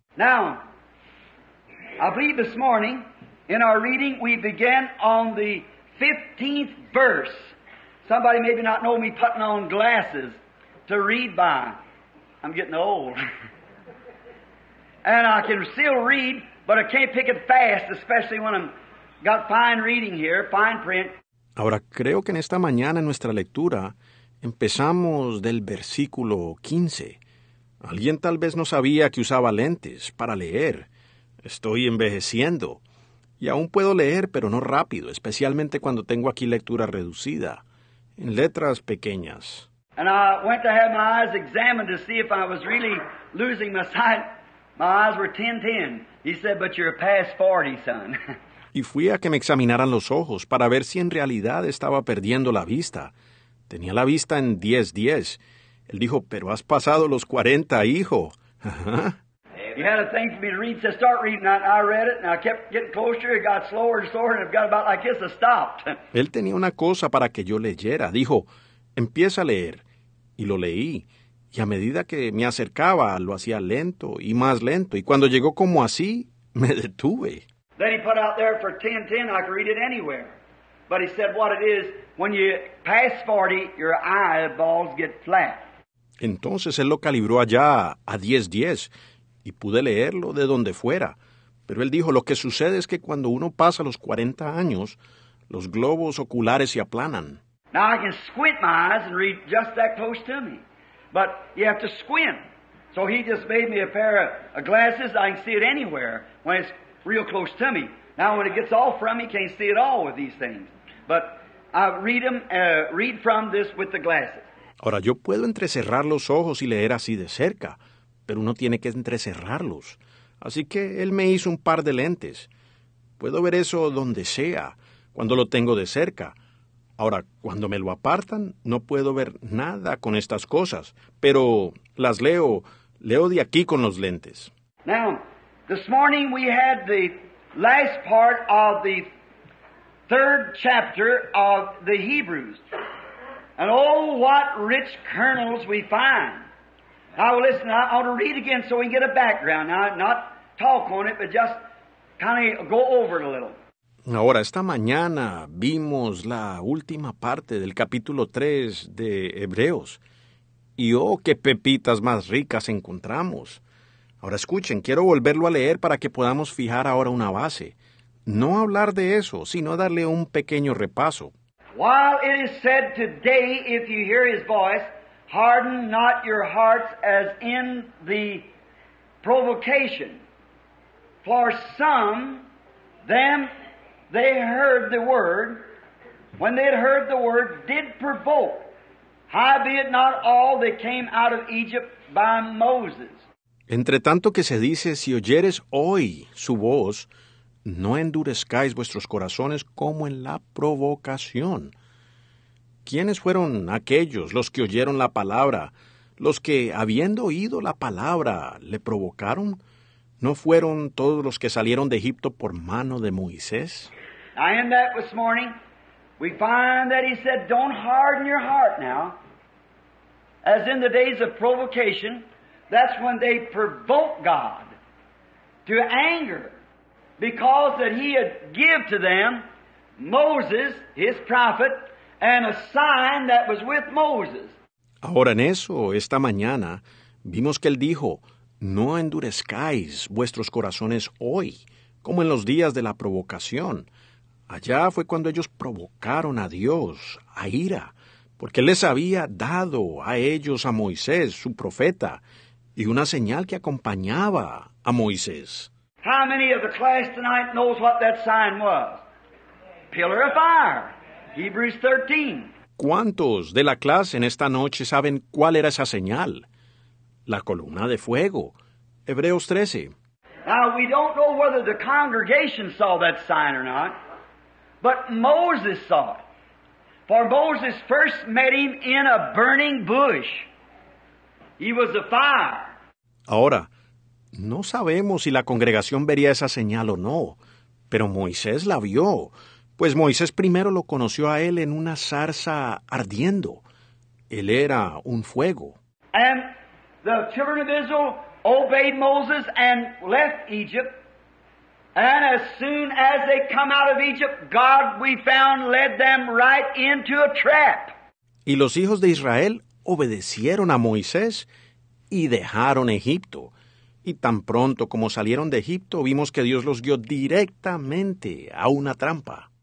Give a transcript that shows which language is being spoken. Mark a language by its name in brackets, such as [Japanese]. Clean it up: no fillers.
[English] Now, I believe this morning in our reading we began on the 15th verse. Somebody maybe not know me putting on glasses to read by. I'm getting old. And I can still read, but I can't pick it fast, especially when I'm got fine reading here, fine print. [Spanish] Ahora creo que en esta mañana en nuestra lectura empezamos del versículo 15. Alguien tal vez no sabía que usaba lentes para leer. Estoy envejeciendo y aún puedo leer, pero no rápido, especialmente cuando tengo aquí lectura reducida, en letras pequeñas. [English] And I went to have my eyes examined to see if I was really losing my sight. My eyes were 10-10. He said, but you're past 40, son. [Spanish] Y fui a que me examinaran los ojos para ver si en realidad estaba perdiendo la vista. Tenía la vista en 10-10. Él dijo, pero has pasado los 40, hijo. [English] He had a thing for me to read, said, start reading. I read it, and I kept getting closer. It got slower and slower, and it got about like this, I stopped. [Spanish] Él tenía una cosa para que yo leyera. Dijo, empieza a leer. Y lo leí. Y a medida que me acercaba, lo hacía lento y más lento. Y cuando llegó como así, me detuve. [English] Then he put out there for 10-10, I could read it anywhere. But he said, what it is, when you pass 40, your eyeballs get flat. [Spanish] Entonces él lo calibró allá a 10-10. Y pude leerlo de donde fuera. Pero él dijo, lo que sucede es que cuando uno pasa los 40 años, los globos oculares se aplanan. [English] Now I can squint my eyes and read just that close to me. But you have to squint. So he just made me a pair of glasses. I can see it anywhere when it's real close to me. Now when it gets off from me, can't see it all with these things. But I read them, read from this with the glasses. [Spanish] Ahora yo puedo entrecerrar los ojos y leer así de cerca. Pero uno tiene que entrecerrarlos. Así que él me hizo un par de lentes. Puedo ver eso donde sea, cuando lo tengo de cerca. Ahora, cuando me lo apartan, no puedo ver nada con estas cosas. Pero las leo de aquí con los lentes. [English] Now, this morning we had the last part of the third chapter of the Hebrews. And oh, what rich kernels we find. Now, listen, I ought to read again so we can get a background. Now, not talk on it, but just kind of go over it a little. [Spanish] Ahora, esta mañana vimos la última parte del capítulo 3 de Hebreos. Y oh, qué pepitas más ricas encontramos. Ahora, escuchen, quiero volverlo a leer para que podamos fijar ahora una base. No hablar de eso, sino darle un pequeño repaso. [English] While it is said today, if you hear his voice, harden not your hearts as in the provocation. For some, them they heard the word, when they had heard the word, did provoke. Howbeit not all that came out of Egypt by Moses. [Spanish] Entre tanto que se dice, si oyeres hoy su voz, no endurezcáis vuestros corazones como en la provocación. ¿Quiénes fueron aquellos los que oyeron la palabra, los que, habiendo oído la palabra, le provocaron? ¿No fueron todos los que salieron de Egipto por mano de Moisés? [English] Now, in that this morning, we find that he said, don't harden your heart now, as in the days of provocation, that's when they provoked God to anger, because that he had given to them Moses, his prophet, and a sign that was with Moses. [Spanish] Ahora en eso, esta mañana, vimos que él dijo, no endurezcáis vuestros corazones hoy, como en los días de la provocación. Allá fue cuando ellos provocaron a Dios, a ira, porque él les había dado a ellos a Moisés, su profeta, y una señal que acompañaba a Moisés. [English] How many of the class tonight knows what that sign was? Pillar of fire. Hebrews 13. [Spanish] ¿Cuántos de la clase en esta noche saben cuál era esa señal? La columna de fuego. Hebreos 13. [English] Now, we don't know whether the congregation saw that sign or not, but Moses saw it. For Moses first met him in a burning bush. He was a fire. [Spanish] Ahora, no sabemos si la congregación vería esa señal o no, pero Moisés la vio. Pues Moisés primero lo conoció a él en una zarza ardiendo. Él era un fuego. [English] And the children of Israel obeyed Moses and left Egypt. And as soon as they come out of Egypt, God, we found, led them right into a trap. [Spanish] Y los hijos de Israel obedecieron a Moisés y dejaron Egipto. Y tan pronto como salieron de Egipto, vimos que Dios los guió directamente a una trampa.